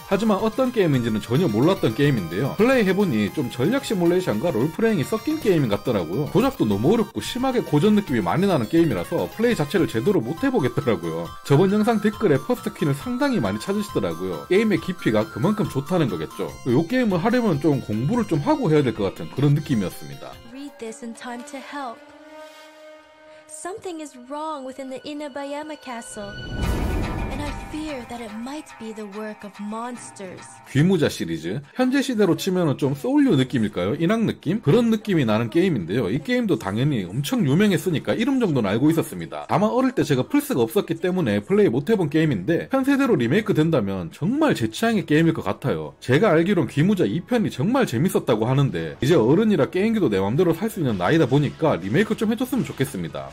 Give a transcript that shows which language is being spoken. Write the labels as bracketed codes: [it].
[ko] 하지만 어떤 게임인지는 전혀 몰랐던 게임인데요. 플레이해보니 좀 전략 시뮬레이션과 롤플레잉이 섞인 게임 같더라고요. 조작도 너무 어렵고 심하게 고전 느낌이 많이 나는 게임이라서 플레이 자체를 제대로 못해보겠더라고요. 저번 영상 댓글에 퍼스트 퀸을 상당히 많이 찾으시더라고요. 게임의 깊이가 그만큼 좋다는 거겠죠. 이 게임을 하려면 좀 공부를 좀 하고 해야 될 것 같은 그런 느낌이었습니다. [en] Read this in time to help. Something is wrong within the Inabayama castle, and I fear that it might be the work of monsters. [ko] 귀무자 시리즈. 현재 시대로 치면은 좀 소울류 느낌일까요? 인왕 느낌? 그런 느낌이 나는 게임인데요. 이 게임도 당연히 엄청 유명했으니까 이름 정도는 알고 있었습니다. 다만 어릴 때 제가 플스가 없었기 때문에 플레이 못해본 게임인데 현세대로 리메이크 된다면 정말 제 취향의 게임일 것 같아요. 제가 알기론 귀무자 2편이 정말 재밌었다고 하는데 이제 어른이라 게임기도 내 맘대로 살 수 있는 나이다 보니까 리메이크 좀 해줬으면 좋겠습니다.